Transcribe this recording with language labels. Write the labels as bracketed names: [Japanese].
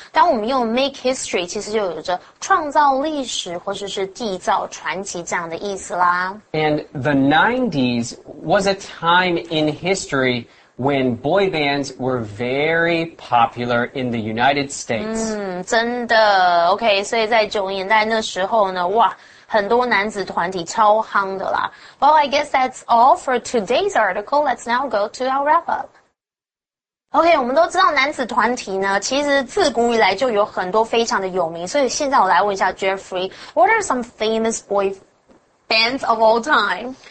[Chinese] 当我们用 make history, 其实就有着创造历史或者是缔造传奇这样的意思啦。 [English] And the 90s was a time in history when boy bands were very popular in the United States. [Chinese] 真的 ,OK, 所以在90年代那时候呢哇很多男子团体超夯的啦。 [English] Well, I guess that's all for today's article. Let's now go to our wrap-up. [Chinese] OK, 我们都知道男子团体呢其实自古以来就有很多非常的有名，所以现在我来问一下 Jeffrey, [English] what are some famous boy bands of all time?